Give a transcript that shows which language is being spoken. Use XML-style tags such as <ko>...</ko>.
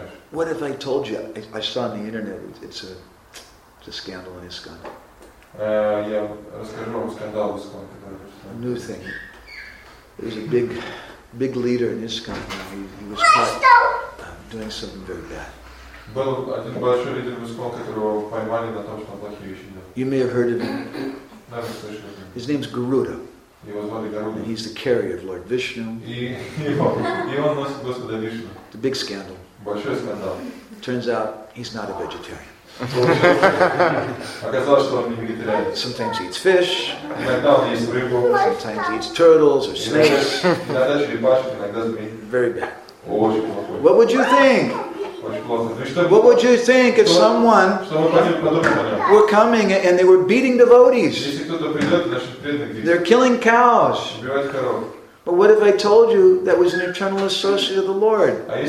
<en>What if I told you, I saw on the internet, it's a scandal in ISKCON.</en> <ru>Я расскажу вам скандал в ИСКОН.</ru> <en>New thing. There's a big, big leader in ISKCON. He was doing something very bad.</en> <ru>Был один большой лидер в ИСКОН, которого поймали на том, что он плохие вещи делал.</ru> <en>You may have heard of him.</en> <ru>Даже слышал.</ru> <en>His name's Garuda.</en> <ru>Его звали Гаруда.</ru> <en>And he's the carrier of Lord Vishnu.</en> <ru>И он носит Господа Вишну.</ru> <en>The big scandal.</en> <ru>Большой скандал.</ru> <en>Turns out he's not a vegetarian.</en> <ru>Оказалось, что он не вегетарианец.</ru> <en>Sometimes he eats fish.</en> <ru>Иногда он ест рыбу.</ru> <en>Sometimes he eats turtles or snakes.</en> <ru>Иногда черепашек, иногда змей.</ru> <en>Very bad.</en> <ru>Очень плохой.</ru> <en>What would you think? What would you think if someone were coming and they were beating devotees? They're killing cows. But what if I told you that was an eternal associate of the Lord?</en>